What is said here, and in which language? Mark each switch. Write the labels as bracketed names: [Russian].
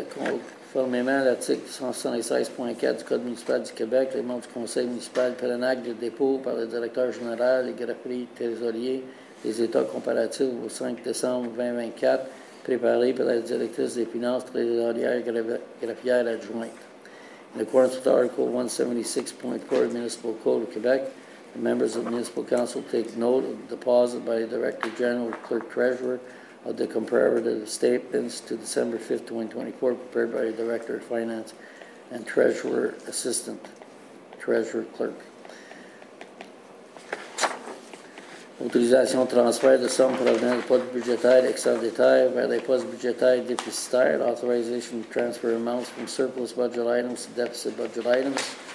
[French] Conformément à l'article 176.4 du Code municipal du Québec, les membres du conseil municipal prennent un acte de dépôt par le directeur général et greffier trésorier des états comparatifs au 5 décembre 2024, préparé par la directrice des finances trésorière et greffière adjointe. [English] In accordance with Article 176.4 Municipal Code of Québec, the members of the Municipal Council take note of the deposit by the Director General Clerk Treasurer of the comparative statements to December 5th, 2024, prepared by the Director of Finance and Treasurer Assistant, Treasurer Clerk. [French] Autorisation de transfert de somme provenant des postes budgétaires excédentaires vers les postes budgétaires déficitaires, [English] authorization to transfer amounts from surplus budget items [French] to deficit budget items.